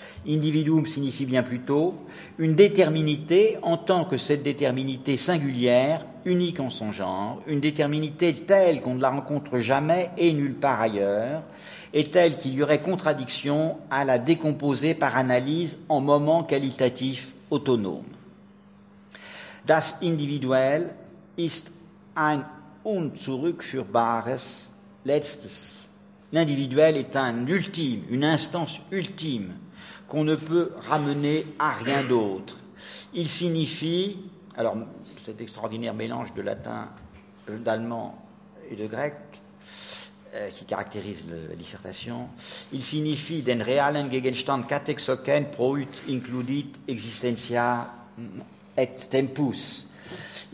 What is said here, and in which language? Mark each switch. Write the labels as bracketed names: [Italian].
[French] Individuum signifie bien plutôt une déterminité en tant que cette déterminité singulière, unique en son genre, une déterminité telle qu'on ne la rencontre jamais et nulle part ailleurs, et telle qu'il y aurait contradiction à la décomposer par analyse en moments qualitatifs autonomes. [German] Das Individuel ist ein unzurückführbares letztes. [French] L'individuel est un ultime, une instance ultime, qu'on ne peut ramener à rien d'autre. Il signifie, alors cet extraordinaire mélange de latin, d'allemand et de grec, qui caractérise la dissertation, il signifie « [German] den realen Gegenstand catexocen prout includit existentia et tempus ».